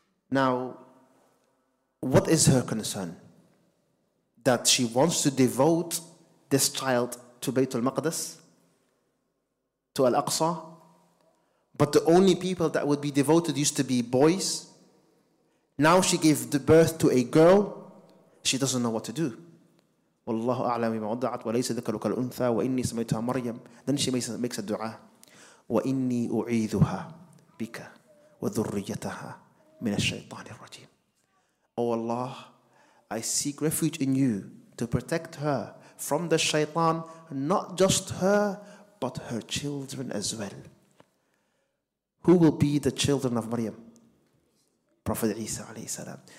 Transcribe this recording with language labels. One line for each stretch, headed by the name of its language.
English: Now, what is her concern? That she wants to devote this child to Baytul Maqdis, to Al-Aqsa, but the only people that would be devoted used to be boys. Now she gave the birth to a girl. She doesn't know what to do.
Arabic: والله أعلم بما وضعت وليس ذكرك الأنثى وإني سميتها مريم.
English: Then she makes a دعاء.
Arabic: وإني أعيذها بك وذريتها من الشيطان الرجيم.
English: Oh Allah, I seek refuge in you to protect her from the shaitan, not just her, but her children as well. Who will be the children of Maryam? Prophet Isa alayhi salam.